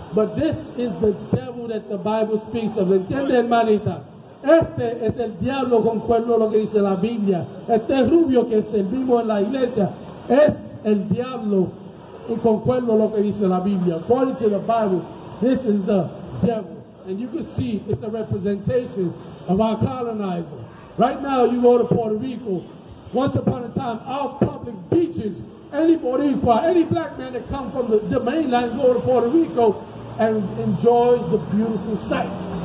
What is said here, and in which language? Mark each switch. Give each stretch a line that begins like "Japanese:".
English: But this is the devil that the Bible speaks of.
Spanish: ¿Entiende, hermanita? Este es el diablo con cuerno, lo que dice la Biblia. Este rubio que servimos en la iglesia es el diablo con cuerno, lo que dice la Biblia.
English: According to the Bible, this is the devil. And you can see it's a representation of our colonizer. Right now, you go to Puerto Rico. Once upon a time, our public beaches, any Boricua, any black man that come from the mainland, go to Puerto Rico and enjoy the beautiful sights.